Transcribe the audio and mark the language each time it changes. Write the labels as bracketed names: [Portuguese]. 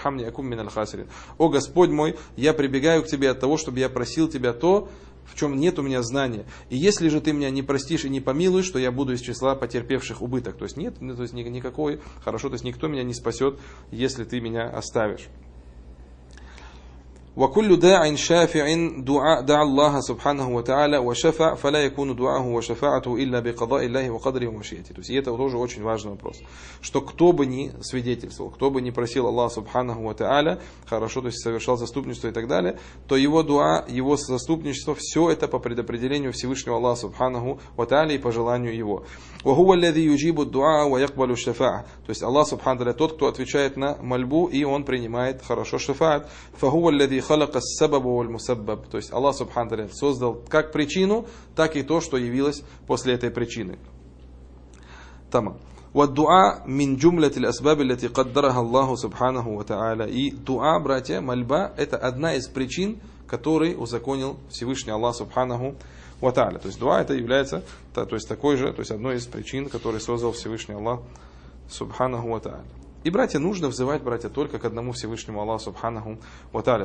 [Russian] фархамни акум мин аль-хасирин. О Господь мой, я прибегаю к тебе от того, чтобы я просил тебя то, в чем нет у меня знания. И если же ты меня не простишь и не помилуешь, то я буду из числа потерпевших убыток. То есть нет, то есть никакой, хорошо, то есть никто меня не спасет, если ты меня оставишь. [Arabic] وكل داع شافع دعاء دعا الله سبحانه وتعالى وشفع فلا يكون دعاه وشفاعته إلا بقضاء الله وقدره ومشيئته. [Russian] То есть это тоже очень важный вопрос, что кто бы ни свидетельствовал, кто бы ни просил Аллаха субханаху ва тааля, хорошо, то есть совершал заступничество и так далее, то его дуа, его заступничество, все это по предопределению Всевышнего Аллаха субханаху ва тааля и по желанию его. [Arabic] وهو الذي يجيب الدعاء ويقبل الشفاعة. [Russian] То есть Аллах субхана тааля тот, кто отвечает на мольбу, и он принимает хорошо шафаат. [Arabic] فهو الذي خلق السبب والمسبب. [Russian] То есть Аллах субхана тааля создал как причину, так и то, что явилось после этой причины. Тама. [Arabic] والدعاء من جملة الأسباب التي قدرها الله سبحانه وتعالى. [Russian] И дуа, братья, мольба, это одна из причин, которые узаконил Всевышний Аллах субханаху ва тааля. То есть дуа это является, то есть такой же, то есть одной из причин, которые создал Всевышний Аллах субханаху ва тааля. И, братья, нужно взывать, братья, только к одному Всевышнему Аллаху Субханаху ва тааля.